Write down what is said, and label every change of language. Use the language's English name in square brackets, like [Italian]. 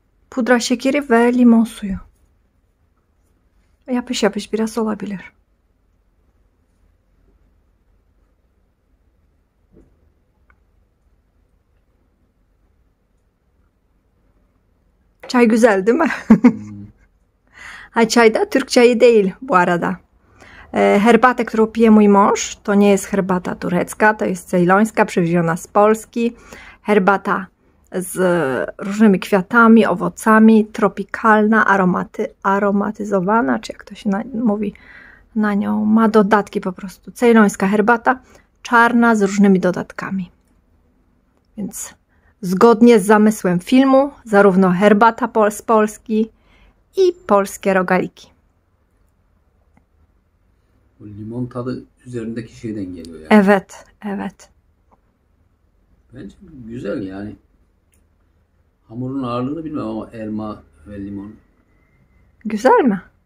[Turkish] Pudra şekeri ve limon suyu. Yapış yapış biraz olabilir. Çay güzel değil mi? Ha, çay da Türk çayı değil bu arada. [Polish] Herbatę, którą pije mój mąż, to nie jest herbata turecka, to jest cejlońska, przywieziona z Polski. Herbata z różnymi kwiatami, owocami, tropikalna, aromatyzowana, czy jak to się mówi na nią, ma dodatki po prostu. Cejlońska herbata, czarna z różnymi dodatkami. Więc zgodnie z zamysłem filmu, zarówno herbata z Polski i polskie rogaliki. [Turkish] Limon tadı üzerindeki şeyden geliyor yani. Evet, evet. Bence güzel yani. Hamurun ağırlığını bilmem ama elma ve limon. Güzel mi?